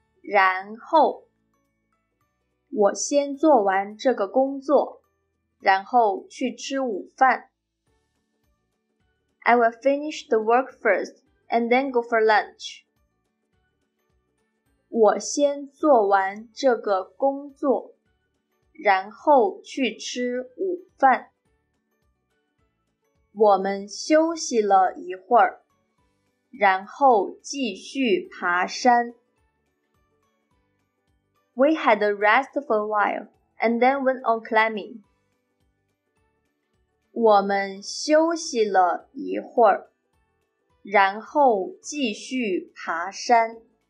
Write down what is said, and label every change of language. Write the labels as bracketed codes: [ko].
[zh] 然后，我先做完这个工作，然后去吃午饭。 [en] I will finish the work first and then go for lunch. [zh] 我先做完这个工作，然后去吃午饭。我们休息了一会儿，然后继续爬山。 [en] We had a rest for a while and then went on climbing. [zh] 我们休息了一会儿，然后继续爬山。